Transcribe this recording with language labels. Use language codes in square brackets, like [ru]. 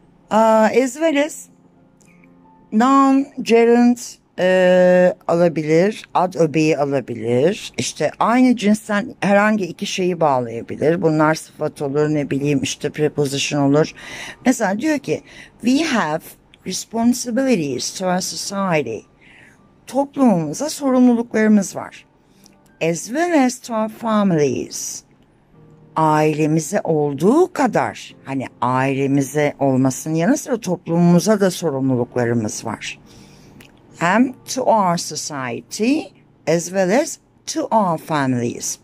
[tr] As well as noun, gerund alabilir, ad öbeği alabilir. İşte aynı cinsten herhangi iki şeyi bağlayabilir. Bunlar sıfat olur, ne bileyim işte preposition olur. Mesela diyor ki, [en] we have responsibilities to our society. [tr] Toplumumuza sorumluluklarımız var. [en] As well as to our families. [tr] Ailemize olduğu kadar, hani ailemize olmasının yanı sıra toplumumuza da sorumluluklarımız var. [en] Hem to our society as well as to our families.